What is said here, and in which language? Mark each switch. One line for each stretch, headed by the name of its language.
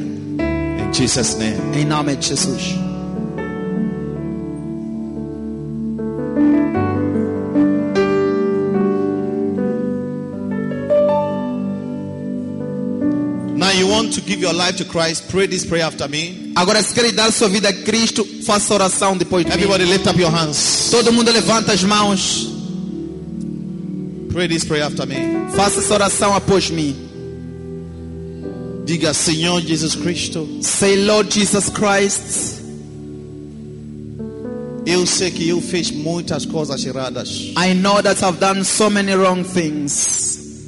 English: In Jesus' name.
Portuguese: Em nome de Jesus.
English: Now you want to give your life to Christ? Pray this prayer after me.
Portuguese: Agora se querem dar sua vida a Cristo, faça oração depois de mim.
English: Everybody lift up your hands.
Portuguese: Todo mundo levanta as mãos.
English: Pray this prayer after me.
Portuguese: Faça essa oração após mim. Diga, Senhor Jesus Cristo.
English: Say, Lord Jesus Christ.
Portuguese: Eu sei que eu fiz muitas coisas erradas.
English: I know that I've done so many wrong things.